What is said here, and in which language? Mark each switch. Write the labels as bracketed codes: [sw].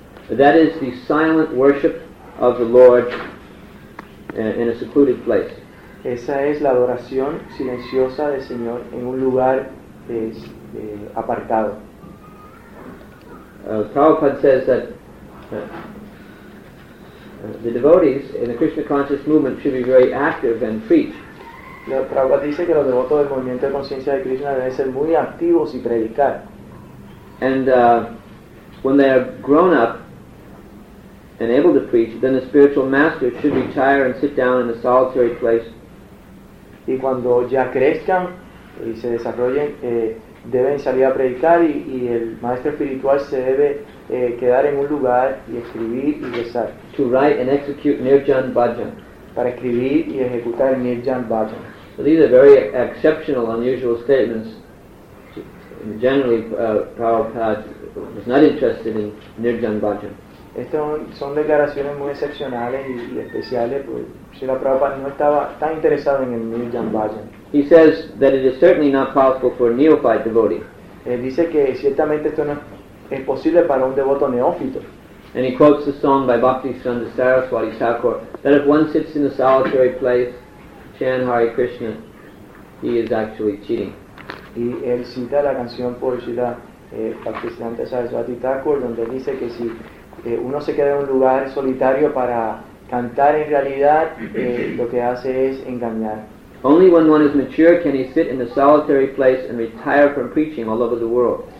[en] That is the silent worship of the Lord in a secluded place. [es] Esa es la adoración silenciosa del Señor en un lugar apartado. [en] Prabhupada says that the devotees in the Krishna conscious movement should be very active and preach. [es] Prabhupada dice que los devotos del movimiento de conciencia de Krishna deben ser muy activos y predicar. [en] And when they are grown up and able to preach, then the spiritual master should retire and sit down in a solitary place. [es] Y cuando ya crezcan y se desarrollen, deben salir a predicar y el maestro espiritual se debe quedar en un lugar y escribir y rezar. [en] To write and execute Nirjan Bhajan. [es] Para escribir y ejecutar Nirjan Bhajan. [en] So these are very exceptional, unusual statements. Generally, Prabhupada was not interested in Nirjan Bhajan. [es] Estas son declaraciones muy excepcionales y especiales, pues Srila Prabhupada no estaba tan interesado en el Nirjan Bhajan. [en] He says that it is certainly not possible for a neophyte devotee. [es] Él dice que ciertamente esto no es posible para un devoto neófito. [en] And he quotes the song by Bhaktisiddhanta Saraswati Thakur that if one sits in a solitary place, chanting Hare Krishna, he is actually cheating. [es] Y él cita la canción por Srila Bhaktisiddhanta Saraswati Thakur donde dice que si uno se queda en un lugar solitario para cantar, en realidad lo que hace es engañar. [en] Only when one is mature can he sit in a solitary place and retire from preaching all over the world.